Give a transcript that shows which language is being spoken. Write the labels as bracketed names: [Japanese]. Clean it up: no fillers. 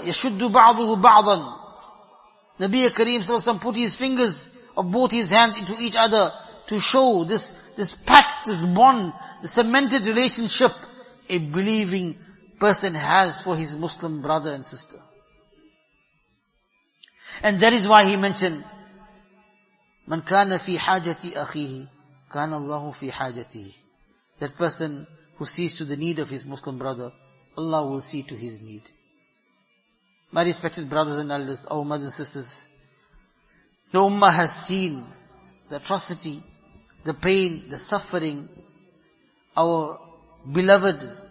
[Arabic] يَشُدُّ بَعْضُهُ بَعْضًا. [English] Nabi Kareem sallallahu alaihi wasallam put his fingers of both his hands into each other to show this pact, this bond, the cemented relationship a believing person has for his Muslim brother and sister. And that is why he mentioned, [Arabic] مَنْ كَانَ فِي حَاجَةِ أَخِيهِ كَانَ اللَّهُ فِي حَاجَتِهِ. [English] That person who sees to the need of his Muslim brother, Allah will see to his need. My respected brothers and elders, our mothers and sisters, the ummah has seen the atrocity, the pain, the suffering, our beloved